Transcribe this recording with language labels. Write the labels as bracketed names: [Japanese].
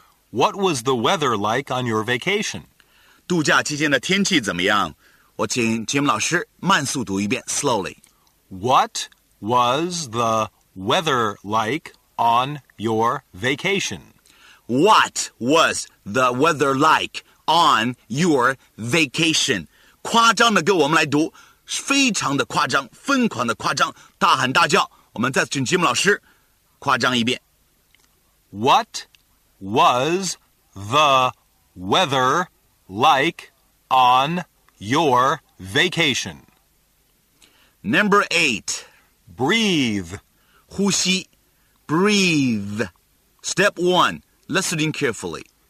[English] What was the weather like on your vacation? [Chinese] 度假期间的天气怎么样？我请 Jim 老师慢速读一遍 slowly. [English] What? Was the weather like on your vacation? What was the weather like on your vacation? [Chinese] 夸张的歌我们来读，非常的夸张，疯狂的夸张，大喊大叫。我们再请吉姆老师夸张一遍。 [English] What was the weather like on your vacation? Number eight. Breathe. 呼吸 Breathe. Step one, listening carefully.